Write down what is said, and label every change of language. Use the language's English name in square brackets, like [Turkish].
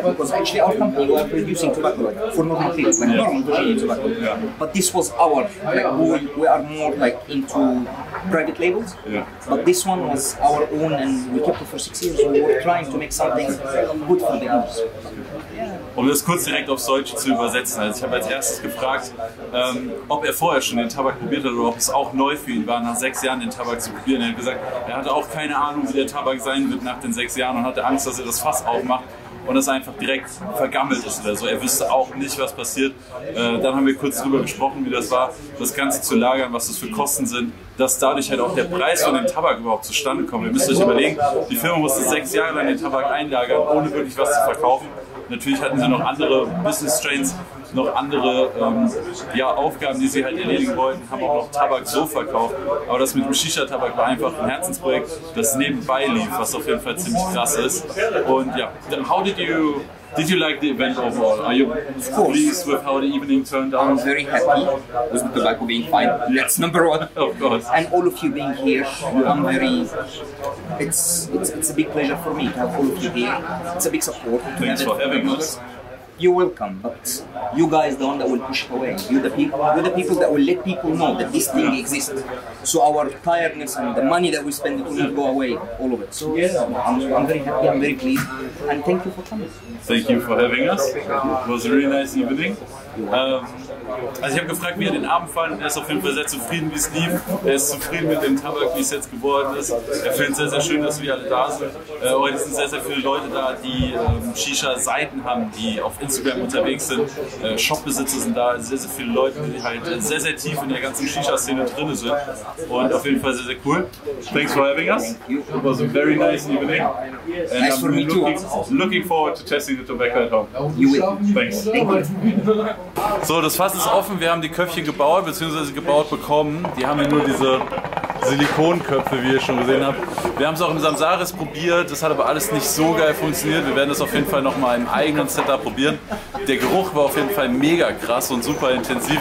[English] Because actually our company was producing tobacco for Northern Fields, like normal Virginia tobacco. Yeah. But this was our, like we are more like into private labels. Yeah. But this one was our own and we kept it for 6 years. We were trying to make something good for the others. [German] Um das kurz direkt auf Deutsch zu übersetzen. Also ich habe als erstes gefragt, ob er vorher schon den Tabak probiert hat oder ob es auch neu für ihn war, nach 6 Jahren den Tabak zu probieren. Er hat gesagt, er hatte auch keine Ahnung, wie der Tabak sein wird nach den 6 Jahren und hatte Angst, dass er das Fass aufmacht und es einfach direkt vergammelt ist oder so. Er wüsste auch nicht, was passiert. Dann haben wir kurz darüber gesprochen, wie das war, das Ganze zu lagern, was das für Kosten sind, dass dadurch halt auch der Preis von dem Tabak überhaupt zustande kommt. Ihr müsst euch überlegen, die Firma musste 6 Jahre lang den Tabak einlagern, ohne wirklich was zu verkaufen. Natürlich hatten sie noch andere Business Strains, noch andere Aufgaben, die sie halt erledigen wollten, haben auch noch Tabak so verkauft. Aber das mit dem Shisha-Tabak war einfach ein Herzensprojekt, das nebenbei lief, was auf jeden Fall ziemlich krass ist. Und ja, [English] yeah. How did you like the event overall? Are you pleased with how the evening turned out? I'm very happy with the tobacco being fine. That's number one. Of course. And all of you being here, I'm very... It's a big pleasure for me to have all of you here. It's a big support. Thanks for having us. You're welcome, but you guys the one that will push it away. You're the people that will let people know that this thing exists. So our tiredness and the money that we spend will not go away, all of it. So I'm very happy, I'm very pleased, and thank you for coming. Thank you for having us. It was a really nice evening. [German] Also ich habe gefragt, wie er den Abend fand. Er ist auf jeden Fall sehr zufrieden, wie es lief. Er ist zufrieden mit dem Tabak, wie es jetzt geworden ist. Er findet es sehr, sehr schön, dass wir alle da sind. Heute sind sehr, sehr viele Leute da, die Shisha-Seiten haben, die auf Instagram unterwegs sind. Shop-Besitzer sind da, sehr, sehr viele Leute, die halt sehr, sehr tief in der ganzen Shisha-Szene drin sind. Und auf jeden Fall sehr, sehr cool. [English] Thanks for having us. It was a very nice evening. And nice for me too. Looking forward to testing the tobacco at home. You will. Thanks. [German] So, das Fass ist offen. Wir haben die Köpfchen gebaut, beziehungsweise gebaut bekommen. Die haben ja nur diese Silikonköpfe, wie ihr schon gesehen habt. Wir haben es auch im Samsaris probiert. Das hat aber alles nicht so geil funktioniert. Wir werden das auf jeden Fall nochmal im eigenen Setup probieren. Der Geruch war auf jeden Fall mega krass und super intensiv.